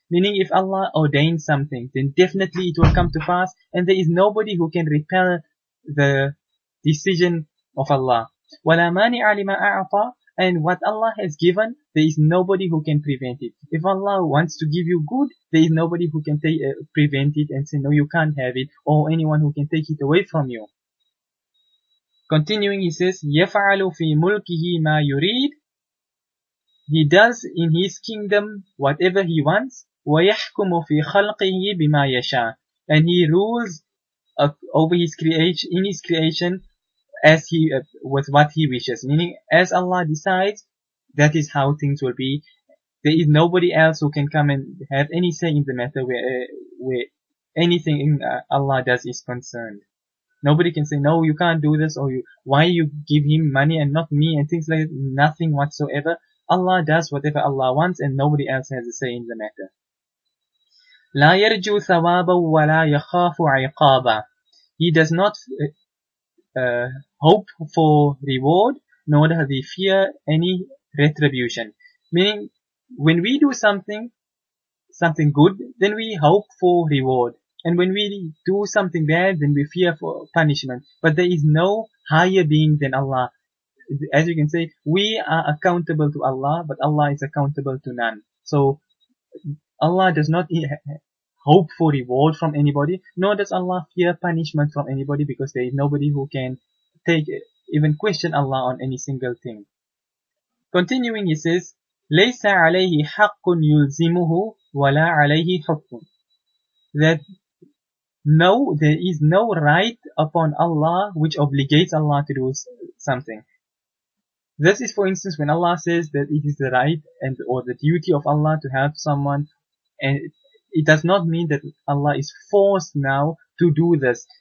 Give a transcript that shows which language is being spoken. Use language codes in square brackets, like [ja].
[en] Meaning if Allah ordains something, then definitely it will come to pass, and there is nobody who can repel the decision of Allah. [ar] وَلَا مَانِعَ لِمَا أَعْطَى. [en] And what Allah has given, there is nobody who can prevent it. If Allah wants to give you good, there is nobody who can prevent it and say, no, you can't have it, or anyone who can take it away from you. Continuing, he says, [ar] يَفْعَلُ فِي مُلْكِهِ مَا يُرِيدُ. [en] He does in his kingdom whatever he wants. [ar] وَيَحْكُمُ فِي خَلْقِهِ بِمَا يَشَاءُ. [en] And he rules over his creation, in his creation, as he with what he wishes, meaning as Allah decides, that is how things will be. There is nobody else who can come and have any say in the matter where anything Allah does is concerned. Nobody can say, no, you can't do this, or why you give him money and not me, and things like that. Nothing whatsoever. Allah does whatever Allah wants, and nobody else has a say in the matter. [ar] لا يرجو ثوابا ولا يخاف عقابا. [en] He does not hope for reward, nor does he fear any retribution. Meaning, when we do something good, then we hope for reward. And when we do something bad, then we fear for punishment. But there is no higher being than Allah. As you can say, we are accountable to Allah, but Allah is accountable to none. So, Allah does not hope for reward from anybody, nor does Allah fear punishment from anybody, because there is nobody who can take even question Allah on any single thing. Continuing, he says, [ar] لَيْسَ عَلَيْهِ حَقٌ يُلْزِمُهُ وَلَا عَلَيْهِ حُقٌ. [en] That no, there is no right upon Allah which obligates Allah to do something. This is, for instance, when Allah says that it is the right and or the duty of Allah to help someone, and it does not mean that Allah is forced now to do this.